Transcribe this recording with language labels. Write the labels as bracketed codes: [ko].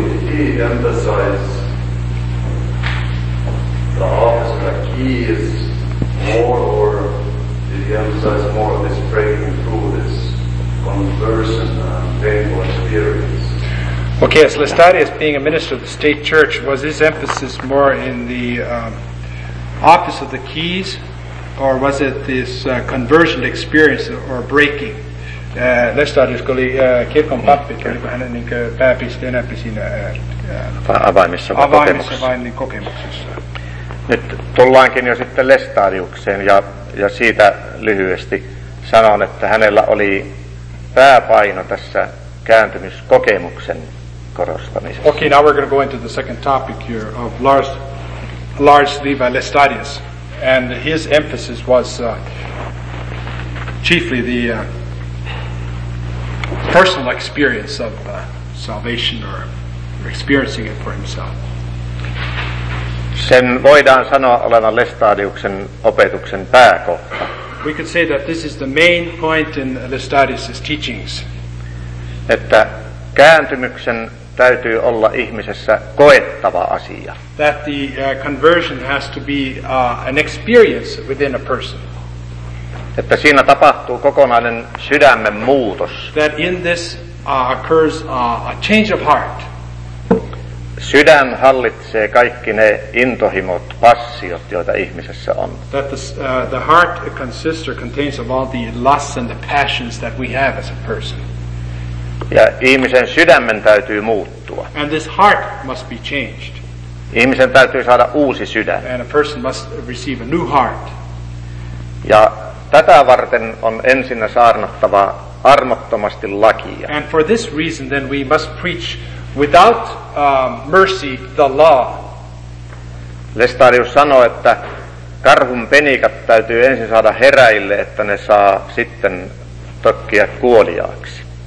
[en] He emphasized the office of the keys more, or did he emphasize more of his breaking through this conversion and painful experience? Okay, so Lestadius, being a minister of the state church, was his emphasis more in the office of the keys, or was it this conversion experience or breaking? [fi] Lestadius oli kirkon pappi, oli hänen niin kuin pääpiste enemmän siinä avaimissa vain niin kokemuksessa. Nyt tullaankin jo sitten Lestadiukseen ja siitä lyhyesti sanon, että hänellä oli pääpaino tässä kääntymyskokemuksen korostamisessa. [en] Okay, now we're going to go into the second topic here of Lars Levi Lestadius. And his emphasis was chiefly the personal experience of salvation or experiencing it for himself. [fi] Sen voidaan sanoa olevan Lestadiuksen opetuksen pääkohta. [en] We could say that this is the main point in Lestadius' teachings. [fi] Että kääntymyksen täytyy olla ihmisessä koettava asia. [en] That the conversion has to be an experience within a person. [fi] Että siinä tapahtuu kokonainen sydämen muutos. [en] That in this occurs a change of heart. [fi] Sydän hallitsee kaikki ne intohimot, passiot, joita ihmisessä on. [en] That the heart consists or contains of all the lusts and the passions that we have as a person. [fi] Ja ihmisen sydämen täytyy muuttua. [en] And this heart must be changed. [fi] Ihmisen täytyy saada uusi sydän. [en] And a person must receive a new heart. [fi] Ja tätä varten on ensinnä saarnattava armottomasti lakia. [en] And for this reason then we must preach without mercy the law. [fi] Lestadius sanoi, että karhun penikat täytyy ensin saada heräille, että ne saa sitten tökkiä kuoliaaksi.